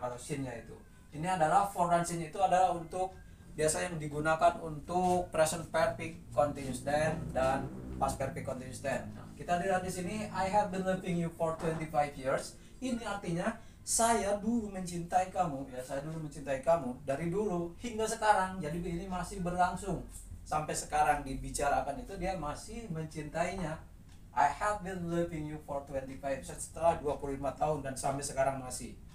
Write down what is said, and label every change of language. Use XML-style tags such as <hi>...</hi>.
<id>Kalau since-nya itu, ini adalah for dan since itu adalah untuk biasa yang digunakan untuk present perfect continuous tense dan past perfect continuous tense.</id> <en>Kita lihat di sini, I have been loving you for 25 years.</en> <id>Ini artinya saya dulu mencintai kamu ya, saya dulu mencintai kamu dari dulu hingga sekarang. Jadi ini masih berlangsung sampai sekarang dibicarakan itu, dia masih mencintainya.</id> <en>I have been loving you for 25</en> <id>setelah 25 tahun dan sampai sekarang masih.</id>